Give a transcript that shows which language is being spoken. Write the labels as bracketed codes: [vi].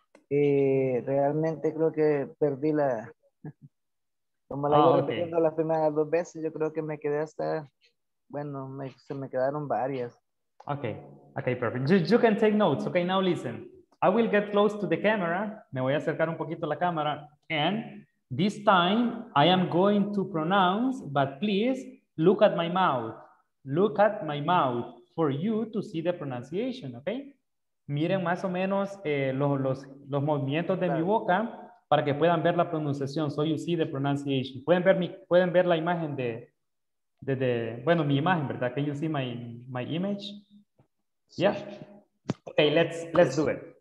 [es] Realmente creo que perdí la... Como la llevo repitiendo las primeras dos veces, yo creo que me quedé hasta... Bueno, se me quedaron varias. [en] Okay, perfect. You can take notes. Okay, now listen. I will get close to the camera. [es] Me voy a acercar un poquito a la cámara. [en] And this time I am going to pronounce, but please look at my mouth. Look at my mouth for you to see the pronunciation, okay? [es] Miren más o menos los movimientos de mi boca para que puedan ver la pronunciación. [en] So you see the pronunciation. [es] Pueden ver la imagen de bueno, mi imagen, ¿verdad? [en] Can you see my image? Yeah. Okay, let's do it.